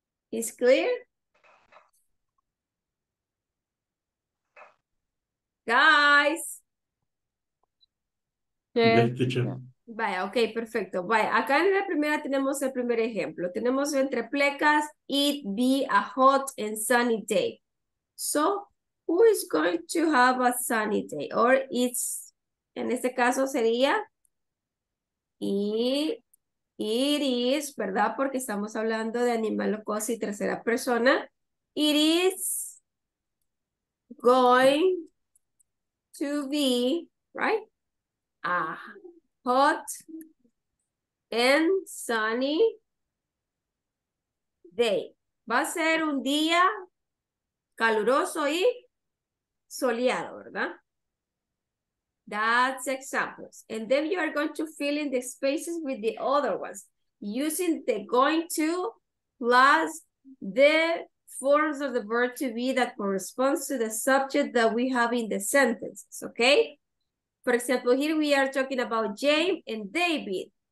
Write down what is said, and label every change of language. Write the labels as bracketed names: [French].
[English] ¿Is clear? Guys. Yes, teacher. [Spanish] Vaya, ok, perfecto. Vaya, acá en la primera tenemos el primer ejemplo. Tenemos entre plecas, [English] it be a hot and sunny day. So, who is going to have a sunny day? Or it's, [Spanish] en este caso sería, [English] it is, [Spanish] ¿verdad? Porque estamos hablando de animal o cosa y tercera persona. [English] It is going to be, right? Hot and sunny day. [Spanish] Va a ser un día caluroso y soleado, ¿verdad? [English] That's examples. And then you are going to fill in the spaces with the other ones using the going to plus the forms of the verb to be that corresponds to the subject that we have in the sentences, okay? For example, here we are talking about Jane and David.